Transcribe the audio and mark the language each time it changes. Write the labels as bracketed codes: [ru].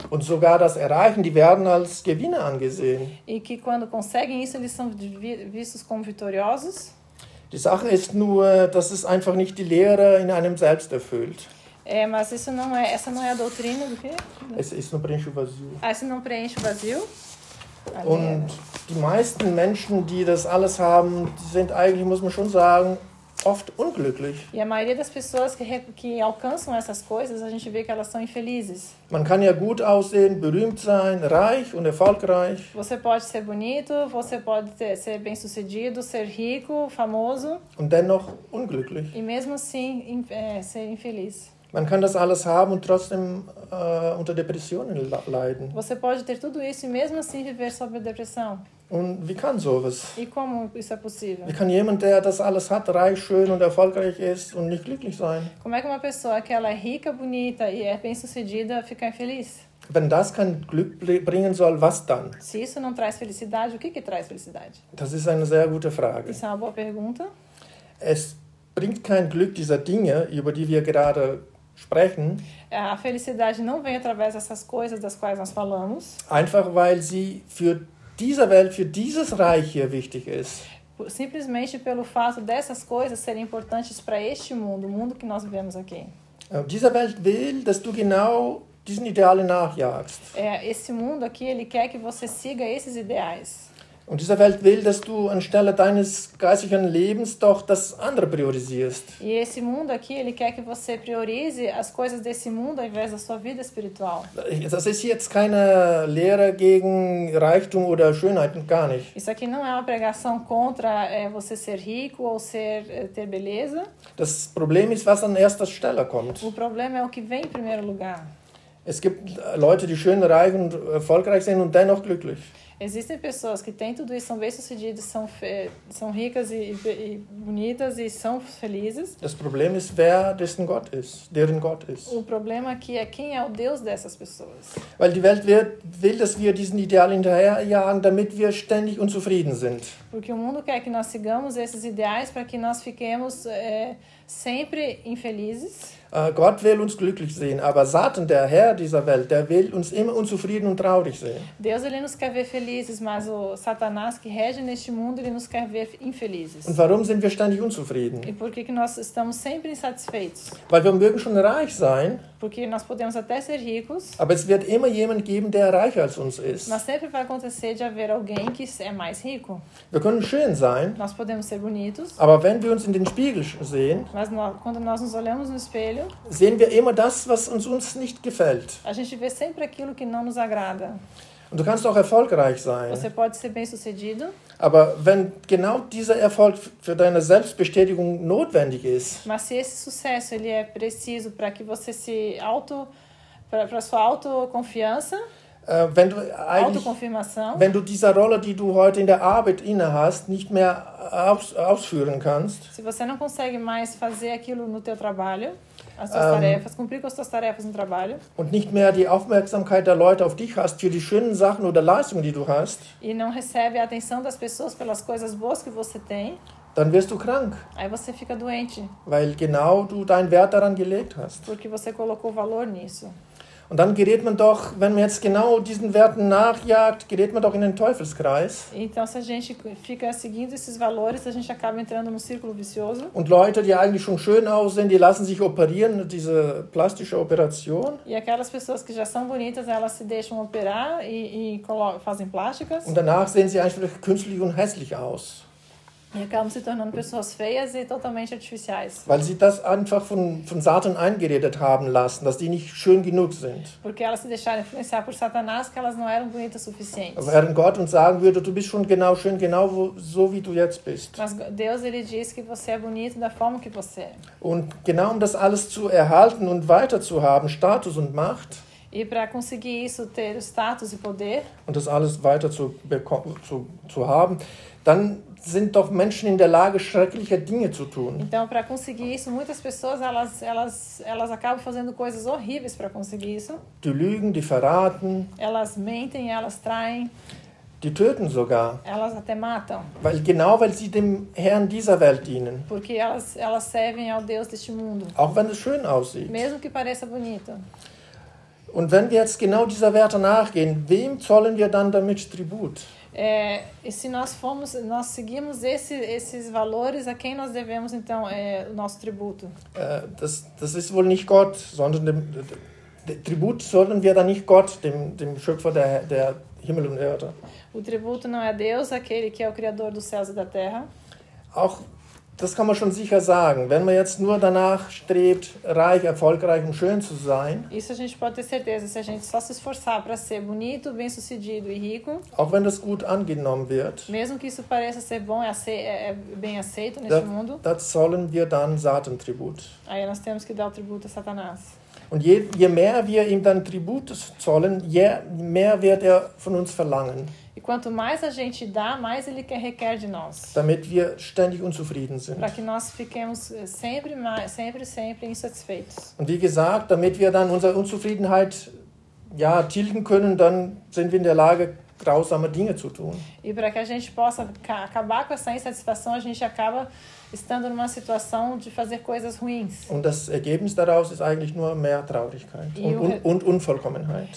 [de] Und sogar das erreichen, die werden als Gewinner angesehen. [pt] E que quando conseguem isso, eles são vistos como vitoriosos. [de] Die Sache ist nur, dass es einfach nicht die Lehre in einem selbst erfüllt. [pt] Mas isso não é, essa não é a doutrina do quê? Es não preenche o vazio. Isso não preenche o vazio? [de] Und die meisten Menschen, die das alles haben, die sind eigentlich, muss man schon sagen, oft unglücklich. [pt] E a maioria das pessoas que alcançam essas coisas, a gente vê que elas são infelizes. [de] Man kann ja gut aussehen, berühmt sein, reich und erfolgreich. [pt] Você pode ser bonito, você pode ser bem-sucedido, ser rico, famoso. [de] Und dennoch unglücklich. [pt] E mesmo assim, ser infeliz. [de] Man kann das alles haben und trotzdem unter Depressionen leiden. [pt] Você pode ter tudo isso e mesmo assim viver sob depressão. [de] Und wie kann sowas? [pt] E como isso é possível? [de] Wie kann jemand, der das alles hat, reich, schön und erfolgreich ist und nicht glücklich sein? [pt] Como é que uma pessoa que ela é rica, bonita e é bem-sucedida fica infeliz? [de] Wenn das kein Glück bringen soll, was dann? [pt] Se isso não traz felicidade, o que traz felicidade? [de] Das ist eine sehr gute Frage. [pt] Isso é uma boa pergunta. [de] Es bringt kein Glück dieser Dinge, über die wir gerade sprechen. [pt] A felicidade não vem através dessas coisas das quais nós falamos. [de] Einfach weil sie für dieser Welt, für dieses Reich hier wichtig ist. [pt] Simplesmente pelo fato dessas coisas serem importantes para este mundo, o mundo que nós vivemos aqui. [de] Dieser Welt will, dass du genau diesen Idealen nachjagst. [pt] Esse mundo aqui, ele quer que você siga esses ideais. [de] Und dieser Welt will, dass du anstelle deines geistigen Lebens doch das andere priorisierst. [pt] E esse mundo aqui, ele quer que você priorize as coisas desse mundo ao invés da sua vida espiritual. [de] Das ist jetzt keine Lehre gegen Reichtum oder Schönheit, gar nicht. [pt] Isso aqui não é uma pregação contra você ser rico ou ter beleza. [de] Das Problem ist, was an erster Stelle kommt. [pt] O problema é o que vem em primeiro lugar. [de] Es gibt Leute, die schön, reich und erfolgreich sind und dennoch glücklich. [pt] Existem pessoas que têm tudo isso, são bem-sucedidas, são ricas e bonitas e são felizes. [de] Das Problem ist, wer dessen Gott ist, deren Gott ist. [pt] O problema aqui é quem é o Deus dessas pessoas. [de] Weil die Welt will, dass wir diesen Ideal hinterherjagen, damit wir ständig unzufrieden sind. [pt] Porque o mundo quer que nós sigamos esses ideais para que nós fiquemos sempre infelizes. [de] Gott will uns glücklich sehen, aber Satan, der Herr dieser Welt, der will uns immer unzufrieden und traurig sehen. [pt] Deus, ele nos quer ver felizes. felizes, mas o Satanás que rege neste mundo, ele nos quer ver infelizes. [de] Und warum sind wir ständig unzufrieden? [pt] E por que que nós estamos sempre insatisfeitos? [de] Weil wir mögen schon reich sein. [pt] Porque nós podemos até ser ricos. [de] Aber es wird immer jemand geben, der reicher als uns ist. [pt] Mas sempre vai acontecer de haver alguém que é mais rico. [de] Wir können schön sein. [pt] Nós podemos ser bonitos. [de] Aber wenn wir uns in den Spiegel sehen. [pt] Mas quando nós nos olhamos no espelho. [de] Sehen wir immer das, was uns nicht gefällt. [pt] A gente vê sempre aquilo que não nos agrada. [de] Und du kannst auch erfolgreich sein. [pt] Você pode ser bem-sucedido. [de] Aber wenn genau dieser Erfolg für deine Selbstbestätigung notwendig ist. [pt] Mas se esse sucesso ele é preciso para que você se auto para sua autoconfiança. [de] Wenn du wenn du diese Rolle, die du heute in der Arbeit inne hast, nicht mehr ausführen kannst. [pt] Se você não consegue mais fazer aquilo no teu trabalho. As suas tarefas, cumprir com as suas tarefas no trabalho. [de] Und nicht mehr die Aufmerksamkeit der Leute auf dich hast für die schönen Sachen oder Leistungen, die du hast. [pt] E não recebe a atenção das pessoas pelas coisas boas que você tem. [de] Dann wirst du krank. [pt] Aí você fica doente. [de] Weil genau du deinen Wert daran gelegt hast. [pt] Porque você colocou valor nisso. [de] Und dann gerät man doch, wenn man jetzt genau diesen Werten nachjagt, gerät man doch in den Teufelskreis. [pt] Então, se a gente fica seguindo esses valores, a gente acaba entrando num círculo vicioso. [de] Und Leute, die eigentlich schon schön aussehen, die lassen sich operieren, diese plastische Operation. [pt] E aquelas pessoas que já são bonitas, elas se deixam operar fazem plásticas. [de] Und danach sehen sie einfach künstlich und hässlich aus. [pt] E acabam se tornando pessoas feias e totalmente artificiais. [de] Weil sie das einfach von Satan eingeredet haben lassen, dass die nicht schön genug sind. [pt] Porque elas se deixaram influenciar por Satanás que elas não eram bonitas o suficiente. [de] Während Gott uns sagen würde, du bist schon genau schön, genau so wie du jetzt bist. [pt] Mas Deus ele diz que você é bonito da forma que você é. [de] Und genau um das alles zu erhalten und weiter zu haben, Status und Macht. [pt] E para conseguir isso ter o status e poder. [de] Und das alles weiter zu haben, dann sind doch Menschen in der Lage, schreckliche Dinge zu tun. [pt] Então, para conseguir isso, muitas pessoas elas acabam fazendo coisas horríveis para conseguir isso. [de] Die lügen, die verraten. [pt] Elas mentem, elas traem. [de] Die töten sogar. [pt] Elas até matam. [de] Weil genau, weil sie dem Herrn dieser Welt dienen. [pt] Porque elas servem ao Deus deste mundo. [de] Auch wenn es schön aussieht. [pt] Mesmo que pareça bonito. [de] Und wenn wir jetzt genau dieser Werte nachgehen, wem zollen wir dann damit Tribut? [pt] E se nós seguimos esses valores, a quem nós devemos então o nosso tributo? [de] Das ist wohl nicht Gott, sondern dem Tribut sollen wir dann nicht Gott, dem Schöpfer der Himmel und Erde. [pt] O tributo não é Deus, aquele que é o criador dos céus e da terra. [de] Auch das kann man schon sicher sagen, wenn man jetzt nur danach strebt, reich, erfolgreich und schön zu sein. [pt] Isso a gente pode ter certeza, se a gente só se esforçar para ser bonito, bem-sucedido e rico. [de] Auch wenn das gut angenommen wird. [pt] Mesmo que isso pareça ser bom e bem aceito neste mundo. [de] Das sollen wir dann Satan-Tribut. [pt] Aí nós temos que dar o tributo a Satanás. [de] Und je mehr wir ihm dann Tribut zollen, je mehr wird er von uns verlangen. [pt] E quanto mais a gente dá, mais ele requer de nós. [de] Damit wir ständig unzufrieden sind. [pt] Para que nós fiquemos sempre insatisfeitos. [de] Und wie gesagt, damit wir dann unsere Unzufriedenheit tilgen können, dann sind wir in der Lage, grausame Dinge zu tun. [pt] E para que a gente possa acabar com essa insatisfação, a gente acaba estando numa situação de fazer coisas ruins. [de] Und das Ergebnis daraus ist eigentlich nur mehr Traurigkeit und Unvollkommenheit.